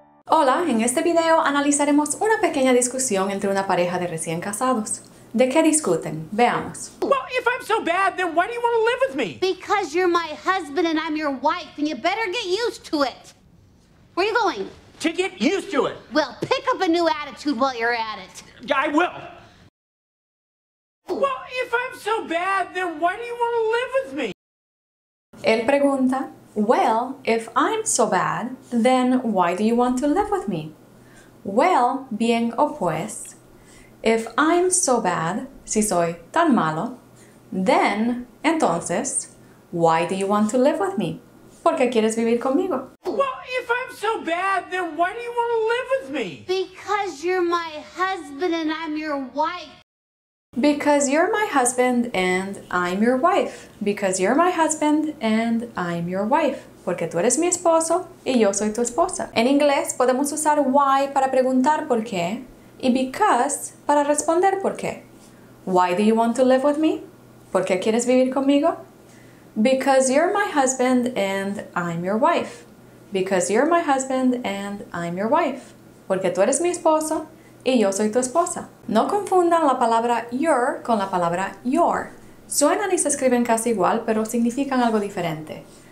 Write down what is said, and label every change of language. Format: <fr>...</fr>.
<es>Hola, en este video analizaremos una pequeña discusión entre una pareja de recién casados. ¿De qué discuten? Veamos.</es> <en>Well, if I'm so bad, then why do you want to live with me? Because you're my husband and I'm your wife, and you better get used to it. Where are you going? To get used to it. Well, pick up a new attitude while you're at it. I will. Well, if I'm so bad, then why do you want to live with me?</en> <es>Él pregunta,</es> <en>well, if I'm so bad, then why do you want to live with me? Well,</en> <es>bien o pues,</es> <en>if I'm so bad,</en> <es>si soy tan malo,</es> <en>then,</en> <es>entonces,</es> <en>why do you want to live with me?</en> <es>¿Por qué quieres vivir conmigo?</es> <en>Well, if I'm so bad, then why do you want to live with me? Because you're my husband and I'm your wife. Because you're my husband and I'm your wife. Because you're my husband and I'm your wife.</en> <es>Porque tú eres mi esposo y yo soy tu esposa. En inglés podemos usar why para preguntar por qué y because para responder por qué.</es> <en>Why do you want to live with me?</en> <es>¿Por qué quieres vivir conmigo?</es> <en>Because you're my husband and I'm your wife. Because you're my husband and I'm your wife.</en> <es>Porque tú eres mi esposo y yo soy tu esposa. No confundan la palabra your con la palabra your. Suenan y se escriben casi igual, pero significan algo diferente.</es>